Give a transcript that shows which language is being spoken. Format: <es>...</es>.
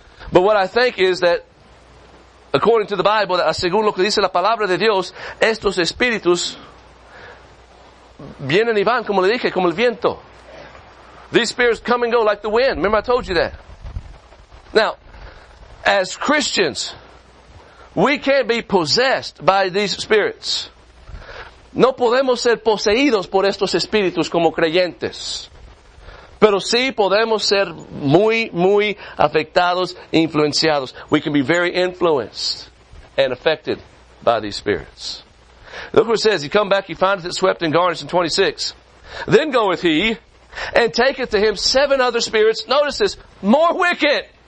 <en>But what I think is that, according to the Bible,</en> <es>según lo que dice la palabra de Dios, estos espíritus vienen y van, como le dije, como el viento.</es> <en>These spirits come and go like the wind. Remember I told you that. Now, as Christians, we can't be possessed by these spirits.</en> <es>No podemos ser poseídos por estos espíritus como creyentes. Pero sí podemos ser muy, muy afectados, influenciados.</es> <en>We can be very influenced and affected by these spirits. Look what it says. He come back, he findeth it swept and garnished in 26. Then goeth he and taketh to him seven other spirits. Notice this. More wicked.</en>